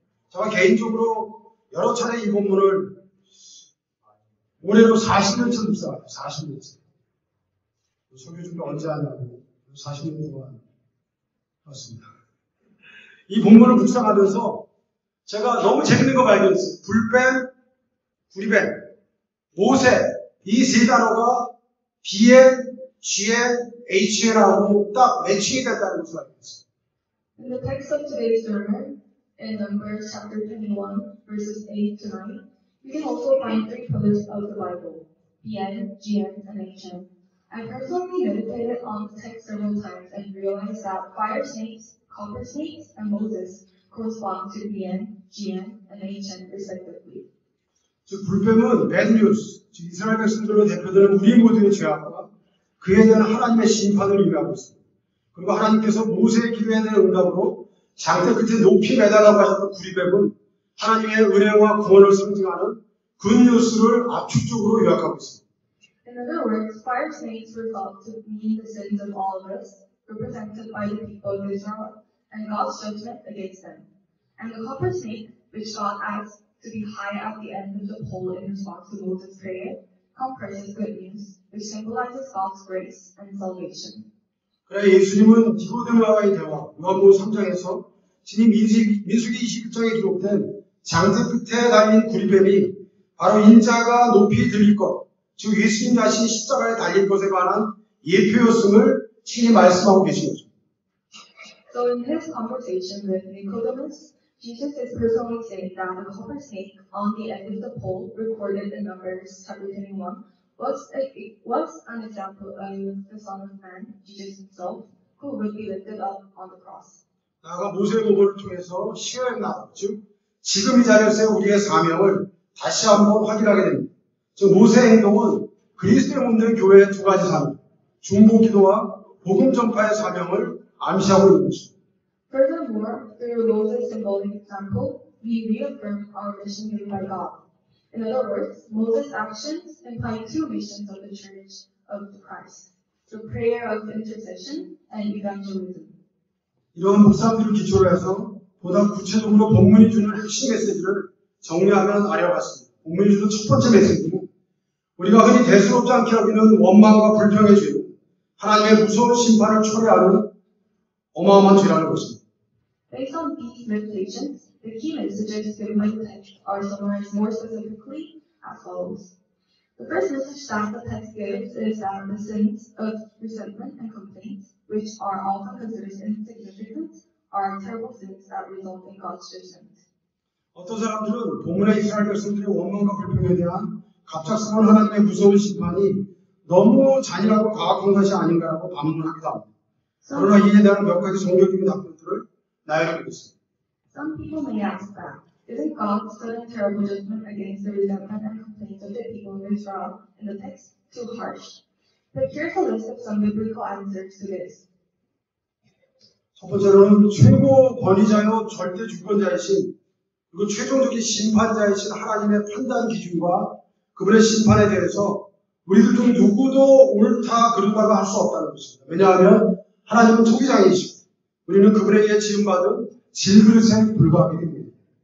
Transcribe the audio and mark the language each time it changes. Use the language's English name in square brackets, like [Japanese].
[Korean] 제가 개인적으로 여러 차례 이 본문을 올해로 40년째 묵상하고 40년째 설교 준비 언제 하냐고 40년 동안 맞습니다. 이 본문을 묵상하면서 제가 너무 재밌는 거 발견했어요. 불뱀, 구리뱀, 모세 이 세 단어가 BN, GN, HN하고 딱 매칭이 됐다는 것을 알겠습니다. [English] In the text of today's sermon, in Numbers chapter 21, verses 8 to 9, you can also find three pillars of the Bible, BN, GN, and HN. I personally meditated on the text several times and realized that fire snakes, copper snakes, and Moses correspond to BN, GN, and HN respectively. So, [Korean] 불뱀은 [English] bad news. [Korean] 이스라엘 백성들로 대표되는 우리 모두의 죄악과 그에 대한 하나님의 심판을 의미하고 있습니다. 그리고 하나님께서 모세의 기도에 대한 응답으로 장대 끝에 높이 매달라고 하셨던 구리뱀은 하나님의 은혜와 구원을 상징하는 [English] good news [Korean] 를 압축적으로 요약하고 있습니다. [English] In other words, fire snakes were thought to mean the sins of all of us, represented by the people of Israel, and God's judgment against them. And the copper snake, which God asked to be high at the end of the pole in response to Moses' prayer, comprises good news, which symbolizes God's grace and salvation. [Korean] 그래, 예수님은 니고데모와의 대화, 요한복음 3장에서 주님 민수기 21장에 기록된 장대 끝에 달린 구리뱀이 바로 인자가 높이 들릴 것. 즉 예수님 자신이 십자가에 달릴 것에 관한 예표였음을 친히 말씀하고 계신 거죠. [English] So in his conversation with Nicodemus, Jesus is personally saying that the copper snake on the end of the pole recorded in Numbers chapter 21 was an example of the Son of Man, Jesus himself, who would be lifted up on the cross. [Korean] 나아가 모세의 모범을 통해서 시행나, 즉 지금 이 자리에서 우리의 사명을 다시 한번 확인하게 됩니다. 즉 모세의 행동은 그리스도에 묻는 교회의 두 가지 사명, 중보기도와 복음 전파의 사명을 암시하고 있는 것입니다. [English] Furthermore, through Moses' symbolic example, we reaffirm our mission given by God. In other words, Moses' actions imply two missions of the Church of Christ, the prayer of intercession and evangelism. [Korean] 이런 묵상들을 기초로 해서 보다 구체적으로 본문이 주는 핵심 메시지를 정리하면 아려봤습니다. 본문이 주는 첫 번째 메시지는 우리가 흔히 대수롭지 않게 여기는 원망과 불평의 죄, 하나님의 무서운 심판을 초래하는 어마어마한 죄라는 것입니다. [English] Based on these meditations, the key messages given by the text are summarized more specifically as follows. The first message that the text gives is that the sins of resentment and complaint, which are often considered insignificant, are terrible sins that result in God's judgment. [Korean] 어떤 사람들은 본문의 이스라엘 백성들의 원망과 불평에 대한 갑작스러운 하나님의 무서운 심판이 너무 잔인하고 과학한 것이 아닌가라고 반문하기도 합니다. 그러나 이에 대한 몇 가지 성경적인 답변들을 나열하고 있습니다. [English] Some people may ask that Isn't God sudden terrible judgment against the resentment and complaints of the people of Israel in the text too harsh? But here's a list of some biblical answers to this. [Korean] 첫 번째로는 최고 권위자요 절대 주권자이신 그리고 최종적인 심판자이신 하나님의 판단 기준과 그분의 심판에 대해서 우리들 중 누구도 옳다 그르다고 할 수 없다는 것입니다. 왜냐하면 하나님은 통치자이시고 우리는 그분에게 지음받은 질그릇에 불과하게 됩니다.